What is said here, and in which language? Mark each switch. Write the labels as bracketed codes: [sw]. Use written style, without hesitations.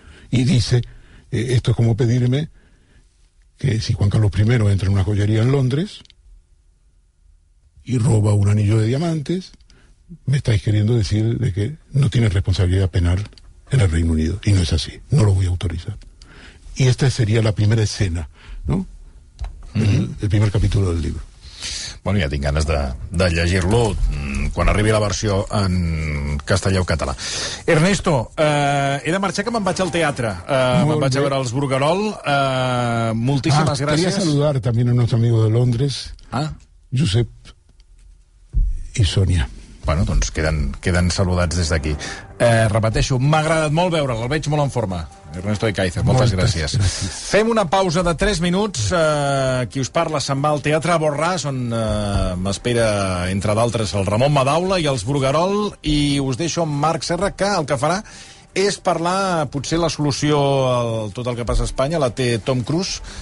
[es] Y dice, esto es como pedirme que si Juan Carlos I entra en una joyería en Londres y roba un anillo de diamantes, me estáis queriendo decir de que no tiene responsabilidad penal en el Reino Unido. Y no es así, no lo voy a autorizar. Y esta sería la primera escena, ¿no? El primer capítulo del libro. [ca] Bueno, ja tinc ganes de llegir-lo quan arribi la versió en castellà o català. Ernesto, he de marxar, que me'n vaig al teatre. Me'n vaig a veure els Bruguerol. Moltíssimes gràcies. [es] Quería saludar también a nuestro amigo de Londres, Josep y Sonia. [ca] Bueno, doncs queden saludats des d'aquí. Repeteixo, m'ha agradat molt veure'l, el veig molt en forma. Ernesto de Caiza, moltes gràcies. Fem una pausa de 3 minuts. Qui us parla se'n va al Teatre Borràs, on m'espera, entre d'altres, el Ramon Madaula i els Bruguerol, i us deixo amb Marc Serra, que el que farà és parlar, potser la solució a tot el que passa a Espanya la té Tom Cruise.